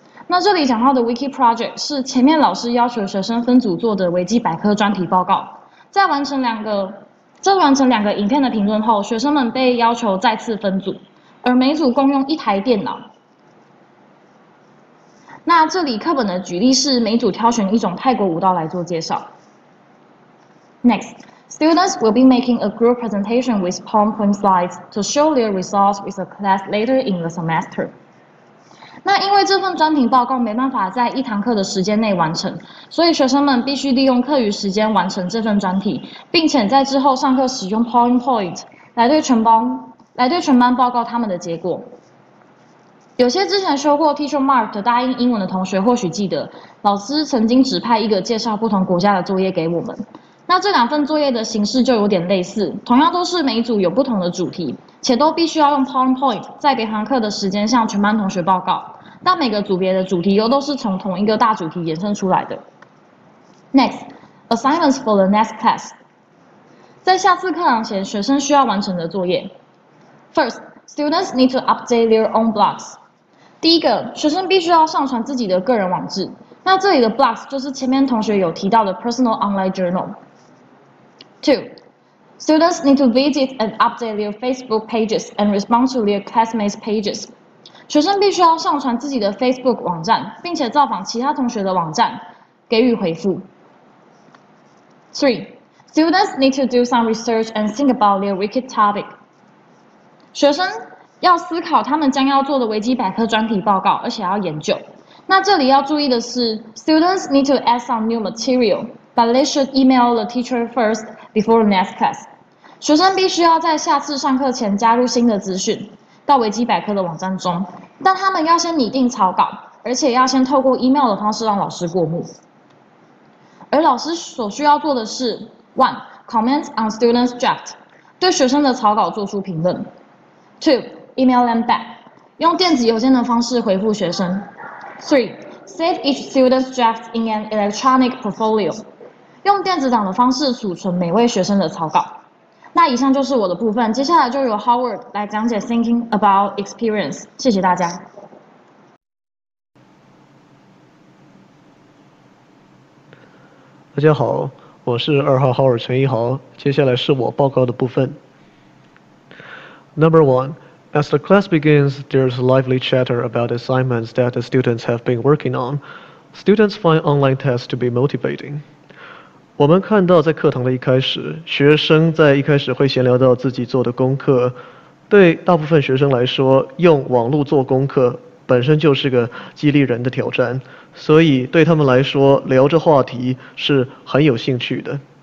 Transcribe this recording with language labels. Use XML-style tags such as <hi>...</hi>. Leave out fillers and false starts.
<zh>那这里讲到的 Wiki Project 是前面老师要求学生分组做的维基百科专题报告。在完成两个影片的评论后，学生们被要求再次分组，而每组共用一台电脑。那这里课本的举例是每组挑选一种泰国舞蹈来做介绍。</zh> <en>Next, students will be making a group presentation with PowerPoint slides to show their results with a class later in the semester.</en> <zh>那因为这份专题报告没办法在一堂课的时间内完成，所以学生们必须利用课余时间完成这份专题，并且在之后上课使用 PowerPoint 来对全班报告他们的结果。有些之前修过 Teacher Mark 的大英英文的同学或许记得，老师曾经指派一个介绍不同国家的作业给我们。那这两份作业的形式就有点类似，同样都是每组有不同的主题，且都必须要用 PowerPoint 在别堂课的时间向全班同学报告，但每个组别的主题又都是从同一个大主题延伸出来的。</zh> <en>Next, assignments for the next class.</en> <zh>在下次课堂前，学生需要完成的作业。</zh> <en>First, students need to update their own blogs.</en> <zh>第一个，学生必须要上传自己的个人网志。那这里的 blogs 就是前面同学有提到的</zh> <en>personal online journal. Two, students need to visit and update their Facebook pages and respond to their classmates' pages.</en> <zh>学生必须要上传自己的 Facebook 网站，并且造访其他同学的网站，给予回复。</zh> <en>Three, students need to do some research and think about their wiki topic.</en> <zh>学生要思考他们将要做的维基百科专题报告，而且要研究。那这里要注意的是</zh> <en>，students need to add some new material, but they should email the teacher first before the next class.</en> <zh>学生必须要在下次上课前加入新的资讯到维基百科的网站中，但他们要先拟定草稿，而且要先透过 email 的方式让老师过目。而老师所需要做的是 ：1.</zh> <en>comment on students' draft，</en> <zh>对学生的草稿做出评论 ；2.</zh> <en>email them back，</en> <zh>用电子邮件的方式回复学生 ；3.</zh> <en>save each student's draft in an electronic portfolio，</en> <zh>用电子档的方式储存每位学生的草稿。那以上就是我的部分，接下来就由 Howard 来讲解</zh> <en>thinking about experience，</en> <zh>谢谢大家。大家好，我是二号Howard陈一豪，接下来是我报告的部分。</zh> <en>Number one, as the class begins, there's lively chatter about assignments that the students have been working on. Students find online tests to be motivating.</en> <zh>我们看到在课堂的一开始，学生在一开始会闲聊到自己做的功课。对大部分学生来说，用网络做功课本身就是个激励人的挑战，所以对他们来说，聊这话题是很有兴趣的。</zh>